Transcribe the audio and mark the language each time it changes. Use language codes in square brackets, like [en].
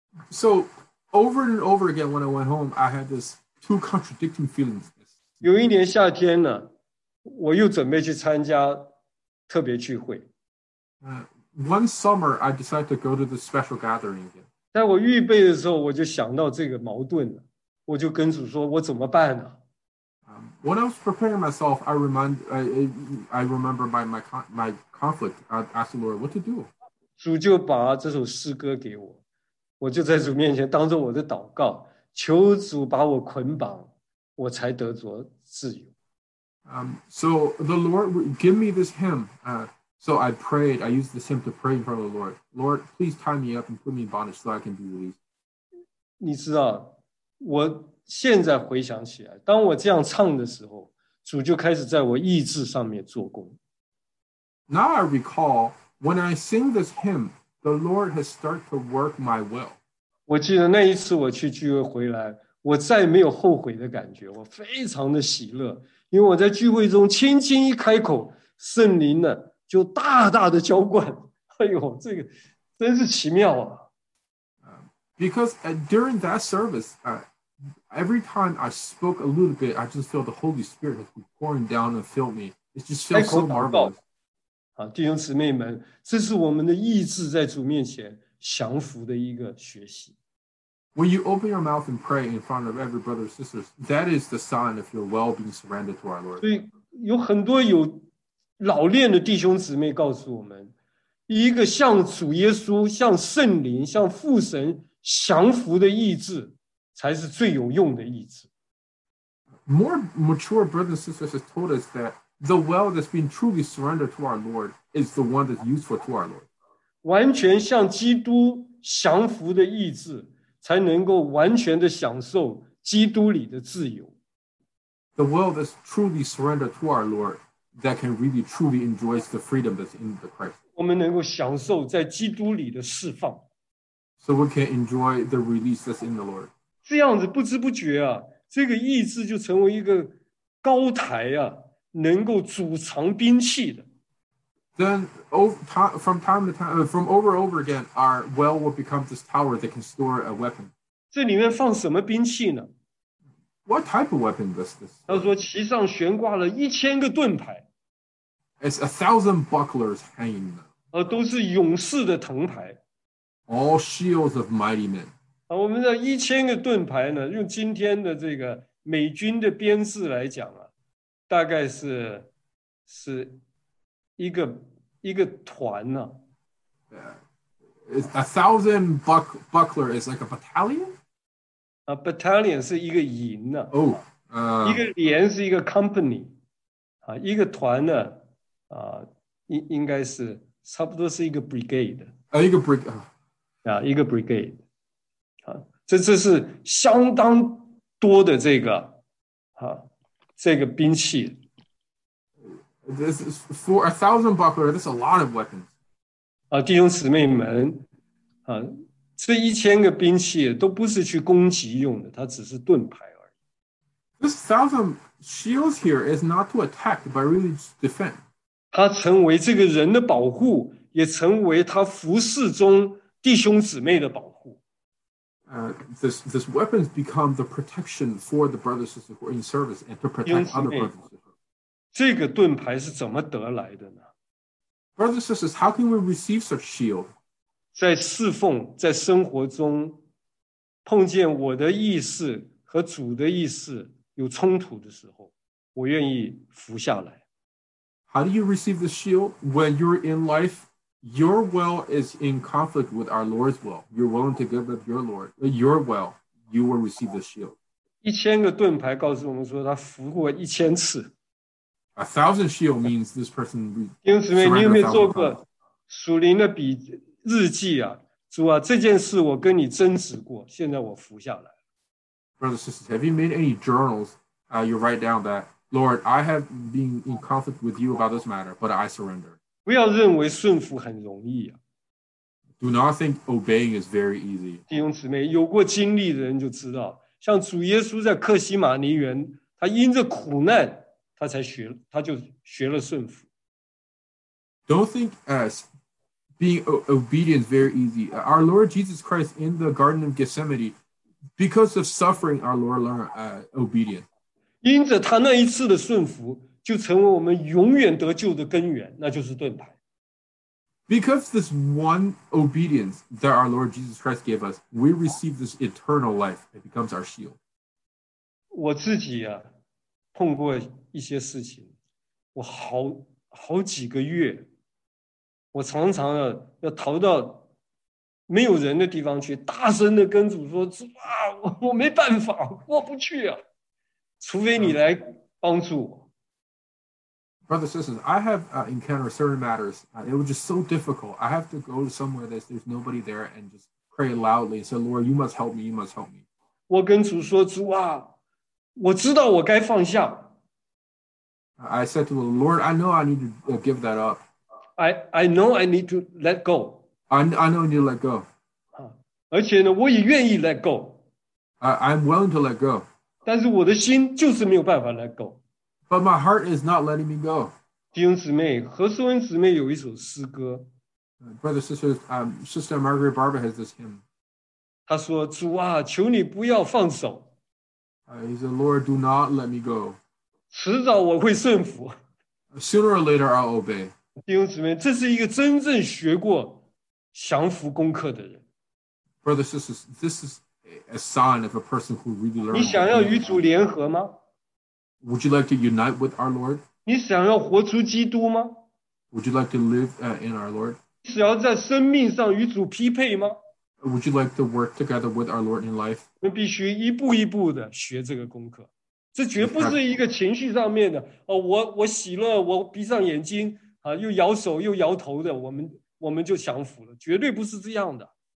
[en] So over and over again, when I went home, I had this two contradicting feelings. [zh] 有一年夏天呢，我又准备去参加特别聚会。 [en] One summer, I decided to go to the special gathering again. [zh] 在我预备的时候，我就想到这个矛盾了，我就跟主说：“我怎么办呢？” [en] When I was preparing myself, I remember my conflict. I asked the Lord, "What to do?" [zh] 主就把这首诗歌给我，我就在主面前当作我的祷告，求主把我捆绑，我才得着自由。 [en] So the Lord give me this hymn. So I prayed. I used this hymn to pray in front of the Lord. Lord, please tie me up and put me in bondage so I can be released. [zh] 你知道，我现在回想起来，当我这样唱的时候，主就开始在我意志上面做工。 [en] Now I recall when I sing this hymn, the Lord has started to work my will. [zh] 我记得那一次我去聚会回来，我再没有后悔的感觉，我非常的喜乐。因为我在聚会中轻轻一开口，圣灵呢就大大的浇灌，哎呦，这个真是奇妙啊！ [en] Because during that service, every time I spoke a little bit, I just felt the Holy Spirit has been pouring down and filled me. It just felt so marvelous. [zh] 弟兄姊妹们，这是我们的意志在主面前降服的一个学习。 [en] When you open your mouth and pray in front of every brother or sister, that is the sign of your well being surrendered to our Lord. [zh] 所以有很多有老练的弟兄姊妹告诉我们，一个向主耶稣、向圣灵、向父神降服的意志，才是最有用的意志。 [en] More mature brothers and sisters have told us that the well that's been truly surrendered to our Lord is the one that's useful to our Lord. [zh] 完全向基督降服的意志，才能够完全的享受基督里的自由。 [en] The world that's truly surrendered to our Lord that can really truly enjoy the freedom that's in the Christ. [zh] 我们能够享受在基督里的释放。 [en] So we can enjoy the release that's in the Lord. [zh] 这样子不知不觉啊，这个意志就成为一个高台啊，能够储藏兵器的。 [en] Then from time to time, from over and over again, our well will become this tower that can store a weapon. [zh] 这里面放什么兵器呢？ [en] What type of weapon is this? [zh] 他说其上悬挂了1000个盾牌。 [en] It's 1000 bucklers hanging there. [zh] 都是勇士的藤牌。 [en] All shields of mighty men. [zh] 我们的1000个盾牌呢，用今天的这个美军的编制来讲啊，大概是一个团呢、啊 [en] yeah. ，1000 buckler is like a battalion. A battalion [zh] 是一个营呢、啊。 Oh, 一个连是一个 company， 啊，一个团呢，啊，应该是差不多是一个 brigade。一个 brigade， 啊，这是相当多的这个，啊，这个兵器。 [en] This is for 1000 buckler. That's a lot of weapons. [zh] 弟兄姊妹们，这一千个兵器都不是去攻击用的，它只是盾牌而已。 [en] This thousand shields here is not to attack, but really to defend. [zh] 它成为这个人的保护，也成为他服侍中弟兄姊妹的保护。 [en] This weapons become the protection for the brothers and sisters who are in service and to protect other brothers and sisters. [zh] 这个盾牌是怎么得来的呢？ [en] Brothers and sisters, how can we receive such shield? [zh] 在侍奉，在生活中，碰见我的意识和主的意识有冲突的时候，我愿意服下来。 [en] How do you receive the shield when you're in life? Your will is in conflict with our Lord's will. You're willing to give up your Lord, your will. You will receive the shield. [zh] 一千个盾牌告诉我们说，他服过一千次。 [en] A thousand shield means this person. [zh] 弟兄姊妹，你有没有做过属灵的笔日记啊？主啊，这件事我跟你争执过，现在我服下来。 [en] Brothers and sisters, have you made any journals? You write down that. Lord, I have been in conflict with you about this matter, but I surrender. [zh] 不要认为顺服很容易啊。 [en] Do not think obeying is very easy. [zh] 弟兄姊妹，有过经历的人就知道，像主耶稣在客西马尼园，他因着苦难，他才学，他就学了顺服。 [en] Don't think as being obedient is very easy. Our Lord Jesus Christ in the Garden of Gethsemane, because of suffering, our Lord learned obedience. [zh] 因着他那一次的顺服，就成为我们永远得救的根源，那就是盾牌。 [en] Because this one obedience that our Lord Jesus Christ gave us, we receive this eternal life. It becomes our shield. [zh] 我自己啊，碰过一些事情，我好几个月，我常常啊要逃到没有人的地方去，大声的跟主说：“主啊，我没办法，过不去啊。” 除非你来帮助我。 [en] Brothers and sisters, I have encountered certain matters. It was just so difficult. I have to go somewhere that there's nobody there and just pray loudly and say, Lord, you must help me, you must help me. [zh] 我跟主说，主啊，我知道我该放下。 [en] I said to the Lord, I know I need to give that up. I know I need to let go. I know I need to let go. [zh] 而且呢，我也愿意 [en] let go. I'm willing to let go. [zh] 但是我的心就是没有办法 [en] let go. But my heart is not letting me go. [zh] 弟兄姊妹，何淑恩姊妹有一首诗歌。 [en] Brother, sister, Sister Margaret Barber has this hymn. [zh] 她说，主啊，求你不要放手。 [en] He said, Lord, do not let me go. [zh] 迟早我会顺服。 [en] Sooner or later, I'll obey. [zh] 弟兄姊妹，这是一个真正学过降服功课的人。 [en] Brother, sister, this is... A sign of a person who really learned. [zh] 你想要与主联合吗？ [en] Would you like to unite with our Lord? [zh] 你想要活出基督吗？ [en] Would you like to live in our Lord? [zh] 你想要在生命上与主匹配吗？ [en] Would you like to work together with our Lord in life? [zh] 我们必须一步一步的学这个功课，这绝不是一个情绪上面的。哦，我喜乐，我闭上眼睛啊，又摇手又摇头的，我们就降服了，绝对不是这样的。